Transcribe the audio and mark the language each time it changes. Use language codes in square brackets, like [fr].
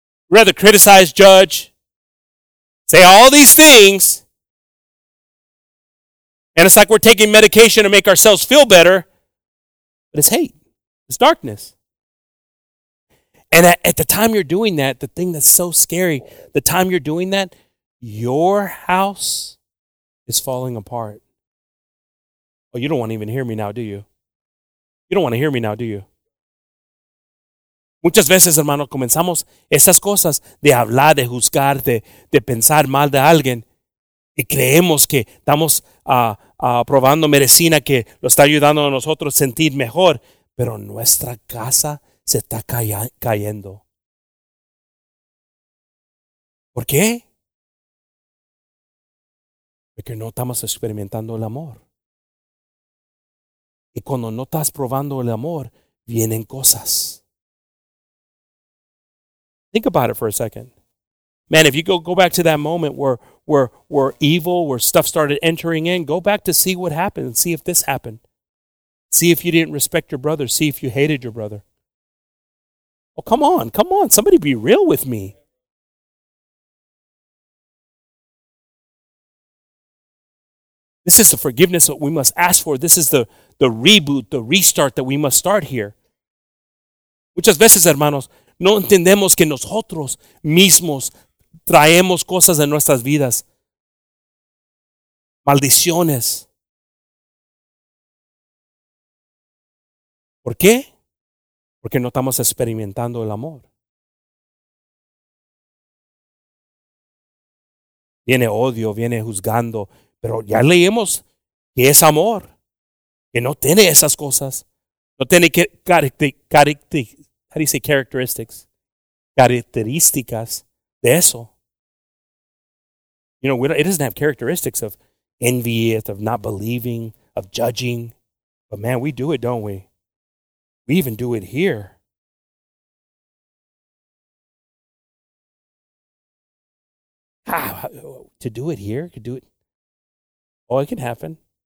[en] We'd rather criticize, judge, say all these things, and it's like we're taking medication to make ourselves feel better, but it's hate. It's darkness. And at the time you're doing that, the thing that's so scary, the time you're doing that, your house is falling apart. Oh, you don't want to even hear me now, do you? You don't want to hear me now, do you? [es] Muchas veces, hermano, comenzamos esas cosas de hablar, de juzgar, de pensar mal de alguien. Y creemos que estamos probando medicina que lo está ayudando a nosotros a sentir mejor. Pero nuestra casa se está cayendo. ¿Por qué? Porque no estamos experimentando el amor. Y cuando no estás probando el amor, vienen cosas. [en] Think about it for a second. Man, if you go back to that moment where evil, where stuff started entering in, go back to see what happened and see if this happened. See if you didn't respect your brother. See if you hated your brother. Oh, come on. Somebody be real with me. This is the forgiveness that we must ask for. This is the reboot, the restart that we must start here. [es] Muchas veces, hermanos, no entendemos que nosotros mismos traemos cosas en nuestras vidas. Maldiciones. ¿Por qué? Porque no estamos experimentando el amor. Viene odio, viene juzgando. Pero ya leímos que es amor, que no tiene esas cosas, no tiene características de eso. [en] You know, it doesn't have characteristics of envy, of not believing, of judging. But man, we do it, don't we? We even do it here. To do it here, to do it. Oh, it can happen.